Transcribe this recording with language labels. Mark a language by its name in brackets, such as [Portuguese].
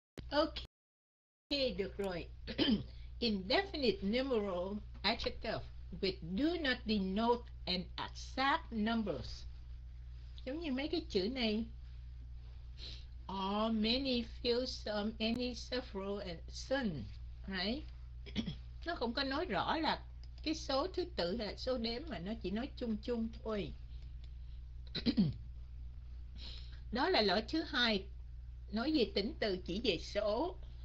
[English] Ok, được rồi. Indefinite numeral adjective which do not denote an exact numbers. [Vietnamese] Giống như mấy cái chữ này. [English] All, many, few, some, any, several, and some. Right? [Vietnamese] Nó không có nói rõ là cái số thứ tự là số đếm mà nó chỉ nói chung chung thôi. Đó là lỗi thứ hai. Nói về tính từ chỉ về số.